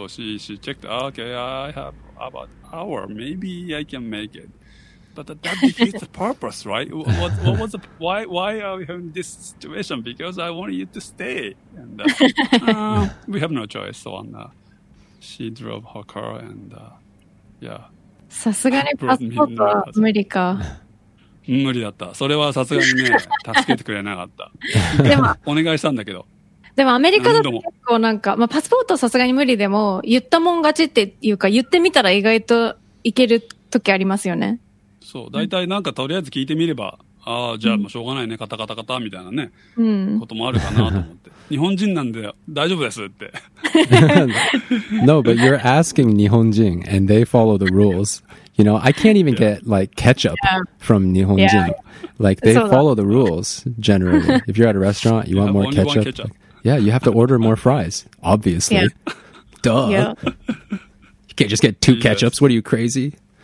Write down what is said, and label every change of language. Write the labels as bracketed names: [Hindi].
[English] So she checked. Okay, I have about an hour. Maybe I can make it. But that defeats the purpose, right? What was the why are we having this situation? Because I want you to stay, and we have no choice. So she drove her car, and yeah. [Japanese] さすがにパスポートは無理か。無理だった。それはさすがにね、助けてくれなかった。でも、お願いしたんだけど。でもアメリカだと結構なんか、まあ、パスポートさすがに無理でも、言ったもん勝ちっていうか、言ってみたら意外といける時ありますよね。そう。だいたいなんかとりあえず聞いてみれば、ああ、じゃあもうしょうがないね、カタカタカタみたいなね、こともあるかなと思って。日本人なんで大丈夫ですって。 [English] No, but you're asking 日本人 and they follow the rules. You know, I can't even get like ketchup from Nihonjin. Yeah. Like they follow the rules generally. If you're at a restaurant, you want more ketchup. Yeah, you have to order more fries, obviously. Yeah. Duh. Yeah. You can't just get two ketchups. What are you, crazy?